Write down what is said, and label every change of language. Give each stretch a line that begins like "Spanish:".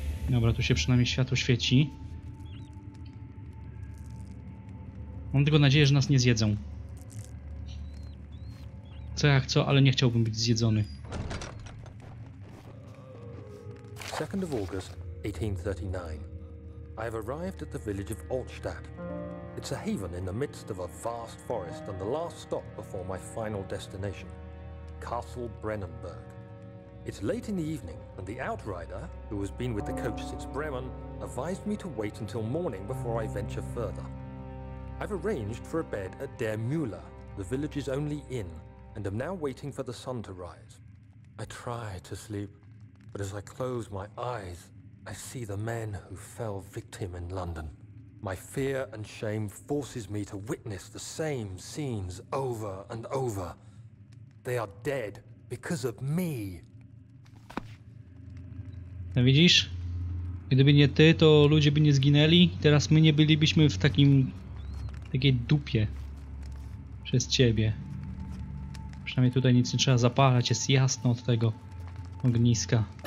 Polish: Dobra, tu się przynajmniej światło świeci. Mam tylko nadzieję, że nas nie zjedzą. Co jak co, ale nie chciałbym być zjedzony.
English: 2 August 1839. I have arrived at the village of Altstadt. It's a haven in the midst of a vast forest and the last stop before my final destination, Castle Brennenburg. It's late in the evening, and the outrider, who has been with the coach since Bremen, advised me to wait until morning before I venture further. I've arranged for a bed at Der Mühle, the village's only inn, and am now waiting for the sun to rise. I try to sleep, but as I close my eyes, I see the men who fell victim in London. My fear and shame forces me to witness the same scenes over and over. They are dead because of me.
Polish: No widzisz? Gdyby nie ty, to ludzie by nie zginęli. Teraz my nie bylibyśmy w takiej dupie przez ciebie. Przynajmniej tutaj nic nie trzeba zapalać, jest jasno od tego ogniska.